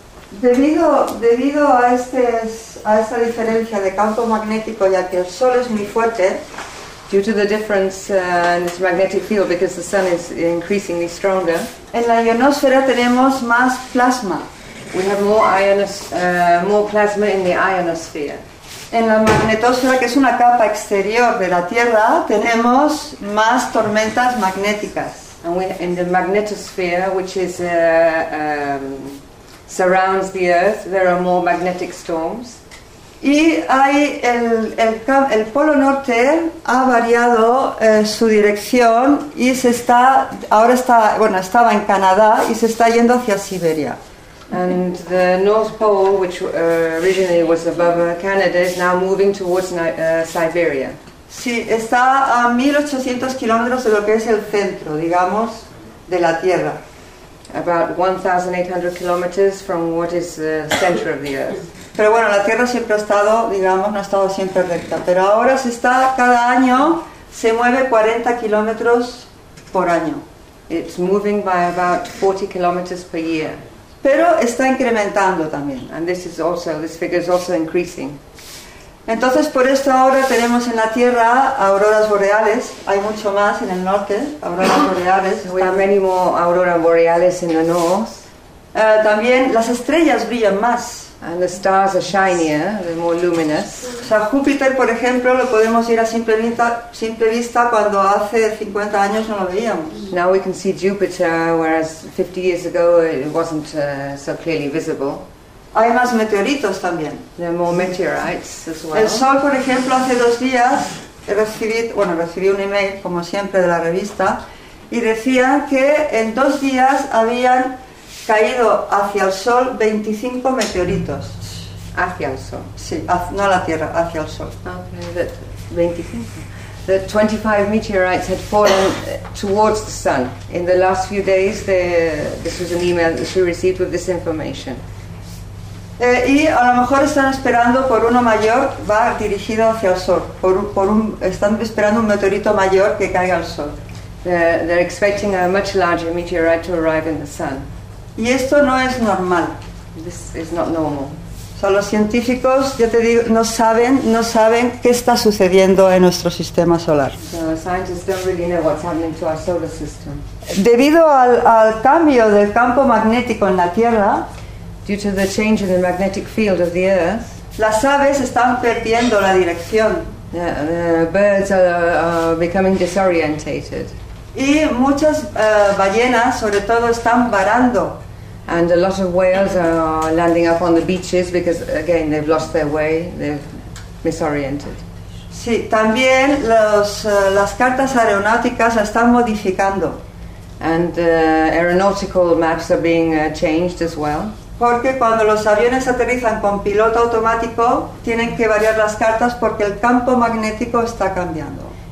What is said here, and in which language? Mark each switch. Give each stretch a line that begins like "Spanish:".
Spanish: Debido a esta diferencia de campo magnético ya que el sol es muy fuerte,
English: due to the difference in this magnetic field because the sun is increasingly stronger,
Spanish: en la ionosfera tenemos más plasma.
English: We have more plasma in the ionosphere.
Spanish: En la magnetosfera, que es una capa exterior de la Tierra, tenemos más tormentas magnéticas.
English: And in the magnetosphere, which is surrounds the Earth, there are more magnetic storms.
Spanish: Y hay el polo norte ha variado su dirección y se está ahora está bueno estaba en Canadá y se está yendo hacia Siberia.
English: And the North Pole, which originally was above Canada, is now moving towards Siberia.
Spanish: Sí, está a 1800 kilómetros de lo que es el centro, digamos, de la Tierra.
English: About 1,800 kilometers from what is the center of the Earth.
Spanish: Pero bueno, la Tierra siempre ha estado, digamos, no ha estado siempre recta. Pero ahora se está, cada año, se mueve 40 kilómetros por año.
English: It's moving by about 40 kilometers per year.
Spanish: Pero está incrementando también.
English: And this figure is also increasing.
Spanish: Entonces, por esto ahora tenemos en la Tierra auroras boreales. Hay mucho más en el norte, auroras boreales.
English: We have many more auroras boreales in the north.
Spanish: También las estrellas brillan más.
English: And the stars are shinier, they're more luminous.
Spanish: O sea, Júpiter, por ejemplo, lo podemos ir a simple vista cuando hace 50 años no lo veíamos.
English: Now we can see Jupiter, whereas 50 years ago it wasn't so clearly visible.
Spanish: Hay más meteoritos también.
English: There are more meteorites as well.
Spanish: El Sol, por ejemplo, hace dos días recibí un email, como siempre, de la revista, y decía que en dos días habían caído hacia el Sol 25 meteoritos. Hacia el Sol. Sí, no a la Tierra, hacia el Sol.
English: Okay, that 25 meteorites had fallen towards the Sun. In the last few days, this was an email that she received with this information.
Spanish: Y a lo mejor están esperando por uno mayor, va dirigido hacia el sol. Están esperando un meteorito mayor que caiga al sol.
English: They're expecting a much larger meteorite to arrive in the sun.
Spanish: Y esto no es normal.
English: This is not normal.
Spanish: O sea, los científicos, ya te digo, no saben qué está sucediendo en nuestro sistema solar.
English: So scientists don't really know what's happening to our solar system.
Spanish: Debido al cambio del campo magnético en la Tierra.
English: Due to the change in the magnetic field of the Earth,
Spanish: las aves están perdiendo la dirección.
English: The birds are becoming disorientated.
Spanish: Y muchas ballenas, sobre todo, están varando.
English: And a lot of whales are landing up on the beaches because, again, they've lost their way. They've misoriented.
Spanish: Sí, también las cartas aeronáuticas están modificando.
English: And aeronautical maps are being changed as well.
Spanish: Porque cuando los aviones aterrizan con piloto automático, tienen que variar las cartas porque el campo magnético está cambiando.